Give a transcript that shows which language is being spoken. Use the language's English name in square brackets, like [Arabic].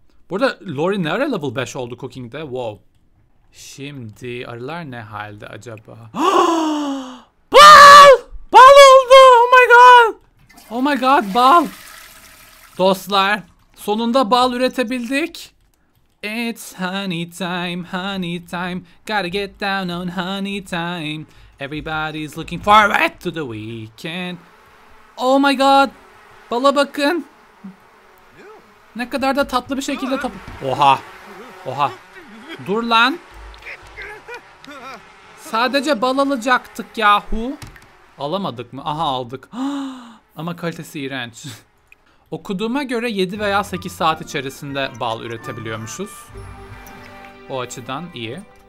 [Turkish] Burada Lori ne ara level 5 oldu cooking'de? Wow. Şimdi arılar ne halde acaba? Bal! Bal oldu! [English] Oh my god! Oh my god, [Turkish] bal! Dostlar, sonunda bal üretebildik. [English] It's honey time, honey time. Gotta get down on honey time. Everybody's looking forward to the weekend. Oh my god! [Turkish] Bala bakın! Ne kadar da tatlı bir şekilde Oha! Oha! Dur lan! Sadece bal alacaktık yahu! Alamadık mı? Aha aldık. Ama kalitesi iğrenç. Okuduğuma göre 7 veya 8 saat içerisinde bal üretebiliyormuşuz. O açıdan iyi.